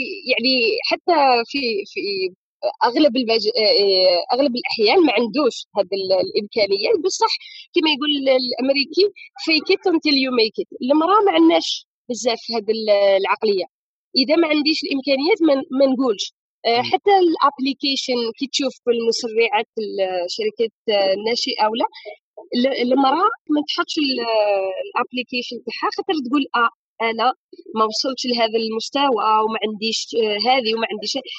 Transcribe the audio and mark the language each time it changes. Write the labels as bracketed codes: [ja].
[ar] يعني حتى في أغلب الأحيان ما عندوش هذه الإمكانية. بصح كما يقول الأمريكي [en] fake it until you make it. [ar] المرأة ما عندناش بزاف هذه العقلية. إذا ما عنديش الإمكانيات ما نقولش. حتى الابليكيشن كي تشوف بالمسرعات الشركات الناشئه ولا المراه ما تحطش الابليكيشن تاعها خاطر تقول انا ما وصلتش لهذا المستوى وما عنديش هذه وما عنديش.